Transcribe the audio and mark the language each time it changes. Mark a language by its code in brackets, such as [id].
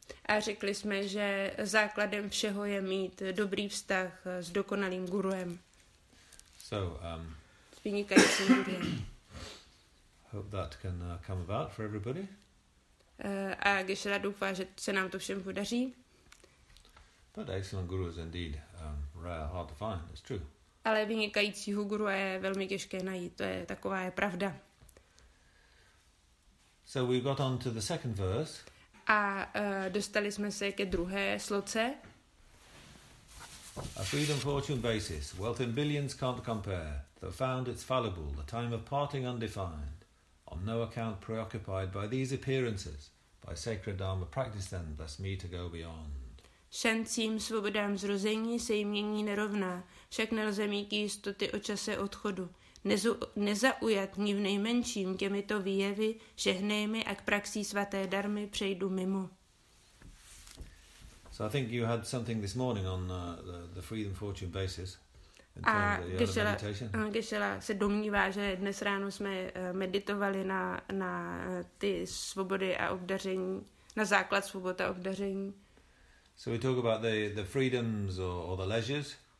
[cs] A řekli jsme, že základem všeho je mít dobrý vztah s dokonalým guruem. [en] So [cs] vynikající guru. [en] Hope that can come about for everybody. [cs] A Geshe-la doufá, že se nám to všem podaří. [en] But excellent guru is indeed rare, hard to find. It's true. [cs] Ale vynikajícího guru je velmi těžké najít. To je taková je pravda. [en] So we got on to the second verse. [cs] A dostali jsme se ke druhé sloce. [en] A freedom fortune basis, wealth in billions can't compare. Though found it's fallible, the time of parting undefined. On no account preoccupied by these appearances. By sacred dharma practice then, thus me to go beyond. [cs] Šancím, svobodám zrození se jim mění nerovná, však nelze mít jistoty o čase odchodu. Nezaujat mě v nejmenším těmito výjevy, žehnej mi a k praxí svaté darmy přejdu mimo. [en] So I think you had something this morning on the freedom fortune basis. [cs] A Geshe-la se domnívá, že dnes ráno jsme meditovali na ty svobody a obdaření, na základ svobody a obdaření. [en] So we talk about the freedoms or the leisures.